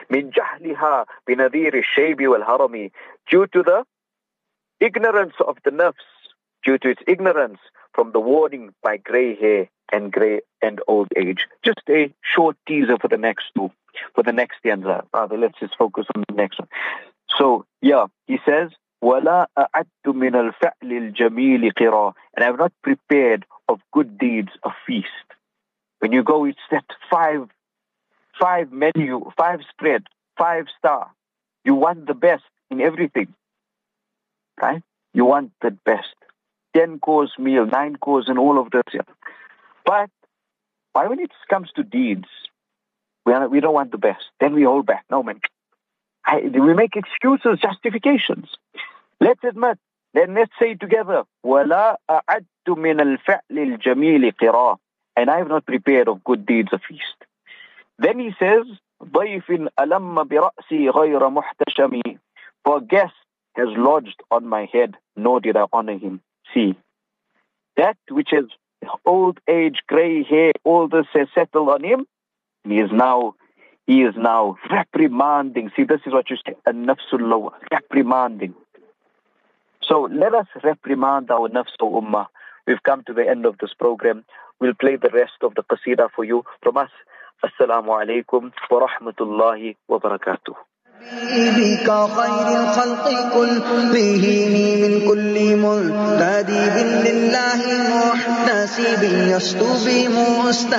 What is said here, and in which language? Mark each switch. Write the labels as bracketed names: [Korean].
[Arabic] مِنْ جَهْلِهَا بِنَذِيرِ الشَّيْبِ وَالْهَرَمِ. [English] Due to the ignorance of the nafs, due to its ignorance from the warning by grey hair and grey and old age. Just a short teaser for the next two, for the next stanza. Rather, let's just focus on the next one. So, yeah, he says, [Arabic] وَلَا أَعَدْتُ مِنَ الْفَعْلِ الْجَمِيلِ قِرَاءً. [English] And I've not prepared of good deeds a feast. When you go, it's that five menu, five spread, five star. You want the best in everything. Right? You want the best. 10-course meal, 9-course and all of this. Yeah. But why when it comes to deeds, we don't want the best. Then we hold back. No, man. We make excuses, justifications. Let's admit. Then let's say together, [Arabic] وَلَا أَعَدْتُ مِنَ الْفَعْلِ الْجَمِيلِ قِرَاءً. [English] And I have not prepared of good deeds a feast. Then he says, [Arabic] ضَيْفٍ أَلَمَّ بِرَأْسِي غَيْرَ مُحْتَشَمِي. [English] For guest has lodged on my head, nor did I honor him. See, that which is old age, grey hair, all this has settled on him, he is now reprimanding. See, this is what you say, النَّفْسُ اللَّوَى, reprimanding. So let us reprimand our nafs, O Ummah. We've come to the end of this program. We'll play the rest of the qasida for you. From us, Assalamu alaikum wa rahmatullahi wa barakatuh. بك خير الخلق كل فيهني من كل منادي لله محتسب يسطو بمستقبل.